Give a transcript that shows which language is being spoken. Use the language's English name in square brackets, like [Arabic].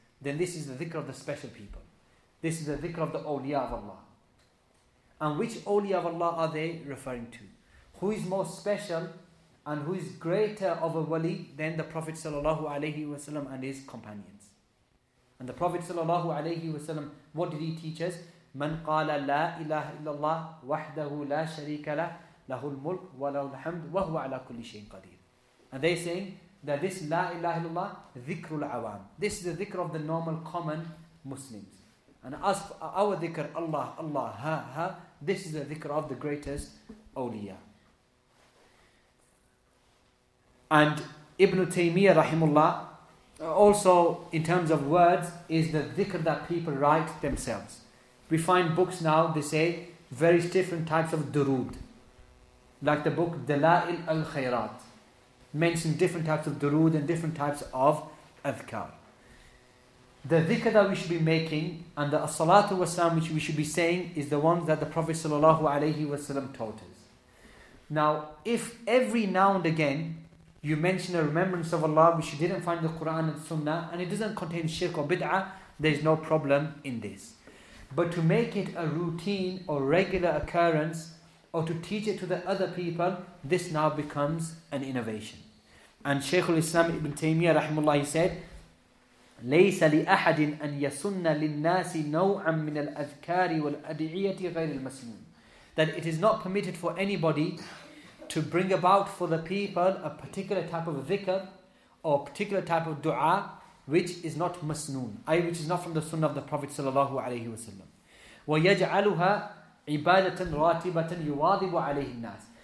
[English] Then this is the dhikr of the special people. This is the dhikr of the awliya of Allah. And which awliya of Allah are they referring to? Who is more special and who is greater of a wali than the Prophet sallallahu alayhi wa sallam and his companions? And the Prophet sallallahu alayhi wa sallam, what did he teach us? [Arabic] من قال لا إله إلا الله وحده لا شريك له له الملك وله الحمد وهو على كل شيء قدير. [English] And they saying that this [Arabic] لا إله إلا الله ذكر العوام. [English] This is the ذكر of the normal common Muslims. And as our ذكر Allah, Allah, ha, ha, this is the ذكر of the greatest awliya. And Ibn Taymiyyah rahimullah also, in terms of words, is the ذكر that people write themselves. We find books now, they say, various different types of durood. Like the book Dala'il al-Khayrat mentions different types of durood and different types of adhkar. The dhikr that we should be making and the as-salatu wasalam which we should be saying is the ones that the Prophet sallallahu alayhi wasallam taught us. Now, if every now and again you mention a remembrance of Allah which you didn't find in the Quran and Sunnah and it doesn't contain shirk or bid'ah, there's no problem in this. But to make it a routine or regular occurrence, or to teach it to the other people, this now becomes an innovation. And Shaykhul Islam Ibn Taymiyyah rahimullah, he said, [Arabic] لَيْسَ لِأَحَدٍ أَنْ يَسُنَّ لِلنَّاسِ نَوْعًا مِنَ الْأَذْكَارِ وَالْأَدْعِيَةِ غَيْرِ الْمَسْلِمِ. [English] That it is not permitted for anybody to bring about for the people a particular type of dhikr or a particular type of dua which is not masnoon, i.e. which is not from the sunnah of the Prophet sallallahu alayhi wa sallam. [Arabic] وَيَجْعَلُهَا عِبَادَةً رَاتِبَةً يُوَاضِبُ عَلَيْهِ النَّاسِ.